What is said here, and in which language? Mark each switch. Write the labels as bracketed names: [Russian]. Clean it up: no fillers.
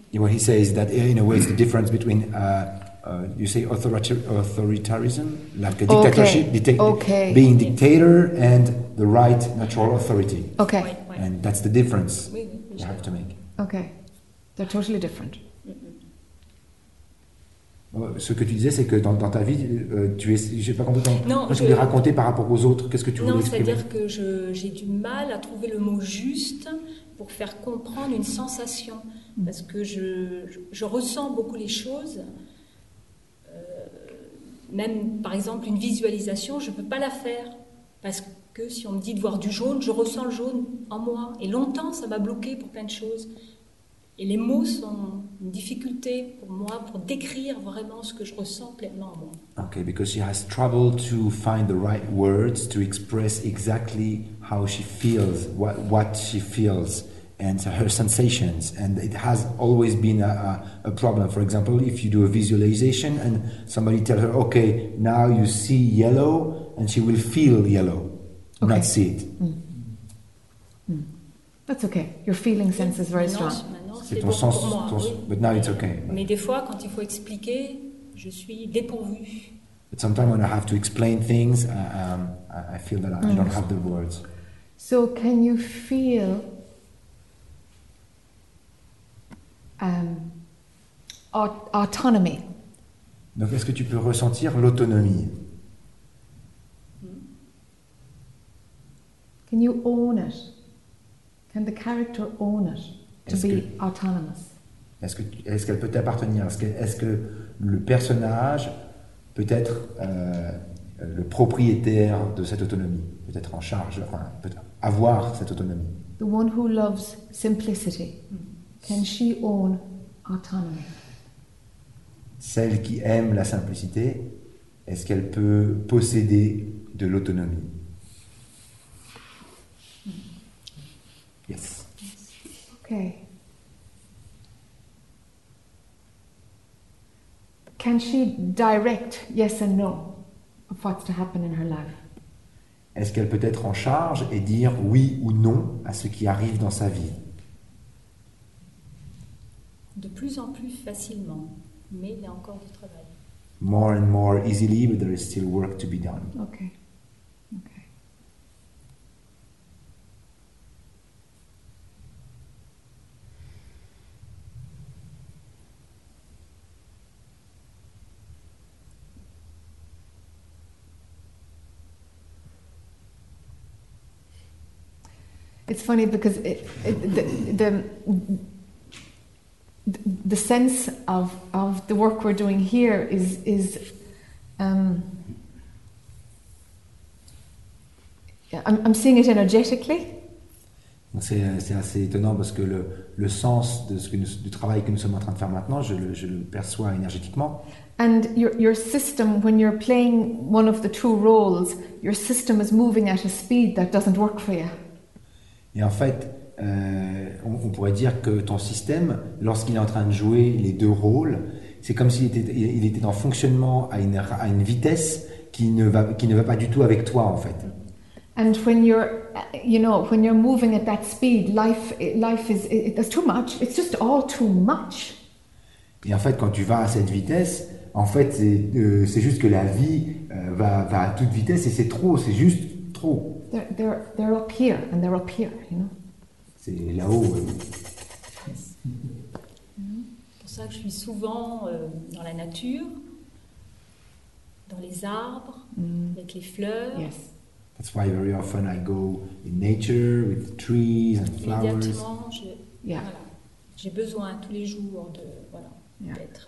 [English] Yeah, what he says is that in a way it's the difference between you say authoritarianism, like a dictatorship, being dictator and the right natural authority. Okay. And that's the difference you have to make. Okay. They're totally different. [French] Ce que tu disais, c'est que dans ta vie, tu es. J'ai pas compris. Qu'est-ce que tu racontais par rapport aux autres? Qu'est-ce que tu voulais exprimer? Non, c'est-à-dire que j'ai du mal à trouver le mot juste pour faire comprendre une sensation. Parce que je ressens beaucoup les choses. Même, par exemple, une visualisation, je peux pas la faire. Parce que si on me dit de voir du jaune, je ressens le jaune en moi. Et longtemps, ça m'a bloqué pour plein de choses. Et les mots sont une difficulté pour moi pour décrire vraiment ce que je ressens pleinement en moi. [English] Okay, because she has trouble to find the right words to express exactly how she feels, what she feels, and her sensations. And it has always been a problem. For example, if you do a visualization and somebody tells her, okay, now you see yellow, and she will feel yellow, okay. Not see it. That's okay. Your feeling sense is very strong. [French] C'est ton bon sens, [English] but now it's okay. [French] Mais des fois, quand il faut expliquer, je suis dépourvue. [English] But sometimes when I have to explain things, I feel that I don't have the words. So can you feel autonomy? [French] Donc est-ce que tu peux ressentir l'autonomie? [English] Can you own it? Can the character own it to be autonomous? [French] Est-ce qu'elle peut t'appartenir? Est-ce que le personnage peut être le propriétaire de cette autonomie? Peut être en charge, peut avoir cette autonomie? [English] The one who loves simplicity, can she own autonomy? [French] Celle qui aime la simplicité, est-ce qu'elle peut posséder de l'autonomie? [English] Yes. Okay. Can she direct yes and no of what's to happen in her life? [French] Est-ce qu'elle peut être en charge et dire oui ou non à ce qui arrive dans sa vie? De plus en plus facilement, mais il y a encore du travail. [English] More and more easily, but there is still work to be done. Okay. It's funny because the sense of the work we're doing here is I'm seeing it energetically. [French] C'est assez étonnant parce que le sens de ce que nous, du travail que nous sommes en train de faire maintenant, je le perçois énergétiquement. [English] And your system, when you're playing one of the two roles, your system is moving at a speed that doesn't work for you. [French] Et en fait, on pourrait dire que ton système, lorsqu'il est en train de jouer les deux rôles, c'est comme s'il était, il était en fonctionnement à une vitesse qui ne va pas du tout avec toi, en fait. [English] And when you're, you know, when you're moving at that speed, life is it's too much. It's just all too much. [French] Et en fait, quand tu vas à cette vitesse, en fait, c'est juste que la vie va à toute vitesse et c'est trop. C'est juste trop. [English] They're up here and they're up here, you know. [French] C'est là-haut. Oui. C'est pour ça que je suis souvent dans la nature, dans les arbres, avec les fleurs. [English] Yes. That's why very often I go in nature with trees and flowers. [French] Immédiatement, j'ai besoin tous les jours de d'être.